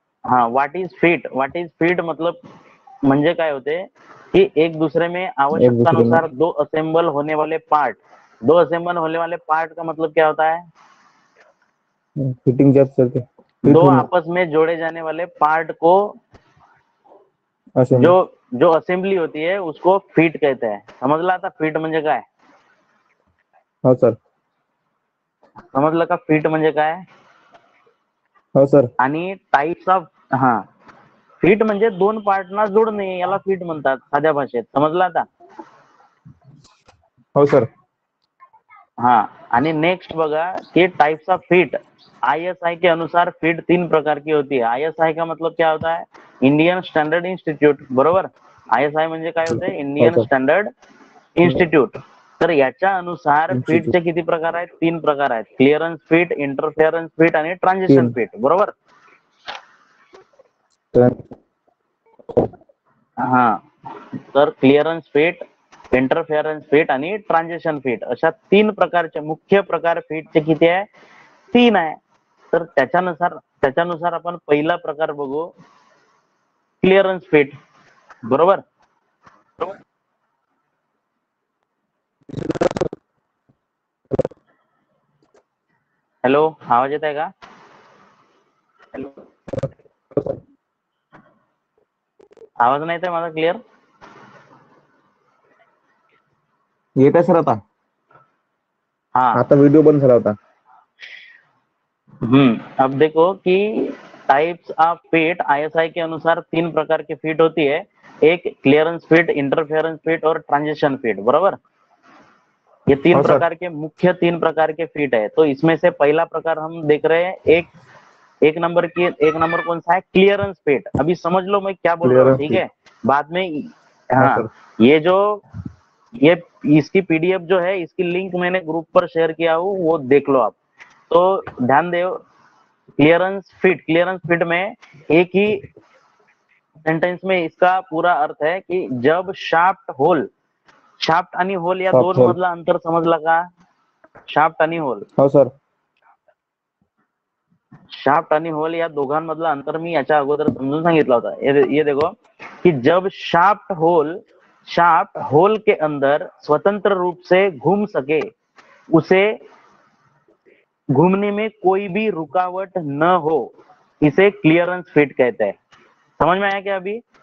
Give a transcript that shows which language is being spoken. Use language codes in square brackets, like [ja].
[hi] हा, what is fit, what is fit मतलब [mr] म्हणजे काय होते की [hi] एक दुसरे में आवश्यकतानुसार दो असेंबल होने वाले पार्ट. दो असेंबल होने वाले पार्ट का मतलब क्या होता है? फिटिंग जब चलते दो आपस में जोड़े जाने वाले पार्ट को असेंबल. जो जो असेंबली होती है उसको फिट कहते हैं. [mr] समझ ला था फिट म्हणजे काय? हा सर, समजलं का फिट म्हणजे काय? हो सर. आणि टाइप्स ऑफ, हा, फिट म्हणजे दोन पार्टना जोडणे याला फिट म्हणतात साध्या भाषेत. समजला आता? हो सर. [hi] हा, आणि नेक्स्ट बघा की टाइप्स ऑफ फिट आयएसआय के अनुसार फिट तीन प्रकार की होती है. आयएसआय का मतलब क्या होता है? Indian standard institute. बरोबर. [mr] आयएसआय म्हणजे काय होते? Indian standard institute. तर याच्या अनुसार फिटचे किती प्रकार आहेत? तीन प्रकार आहेत. क्लिअरन्स फिट, इंटरफेरन्स फिट आणि ट्रान्झिशन फिट. बरोबर. हा, तर क्लिअरन्स फिट, इंटरफेरन्स फिट आणि ट्रान्झिशन फिट अशा तीन प्रकारचे मुख्य प्रकार फिटचे किती आहे? तीन आहे. तर त्याच्यानुसार त्याच्यानुसार आपण पहिला प्रकार बघू, क्लिअरन्स फिट. बरोबर. हॅलो, आवाज येत आहे का? हॅलो, आवाज नाही येत माझा क्लिअर? येत आहे सर आता. हा, आता व्हिडिओ बंद झाला होता. [hi] अब देखो की टाइप्स ऑफ फिट आयएसआय के अनुसार तीन प्रकार की फिट होती है. एक क्लिअरन्स फिट, इंटरफेरन्स फिट और ट्रांजिशन फिट. बरोबर. ये तीन प्रकार के, मुख्य तीन प्रकार के फिट है. तो इसमें से पहला प्रकार हम देख रहे हैं, एक एक नंबर की, एक नंबर कौन सा है? Clearance fit. अभी समझ लो मैं क्या बोल रहा हूँ, ठीक है? बाद में. हाँ, ये जो ये इसकी पीडीएफ जो है इसकी लिंक मैंने ग्रुप पर शेयर किया हूँ, वो देख लो आप. तो ध्यान दो, क्लियरेंस फिट, क्लियरेंस फिट में एक ही सेंटेंस में इसका पूरा अर्थ है कि जब शाफ्ट होल, [mr] शाफ्ट आणि होल या दोन मधला अंतर समजला का? शाफ्ट आणि होल. हो सर. शाफ्ट आणि होल या दोघांमधला अंतर मी याच्या अगोदर समजून सांगितला होता. [hi] ये देखो की जब शाफ्ट होल, शाफ्ट होल के अंदर स्वतंत्र रूप से घूम सके, उसे घूमने में कोई भी रुकावट न हो, इसे क्लियरेंस फिट कहते हैं. समझ में आया क्या अभी?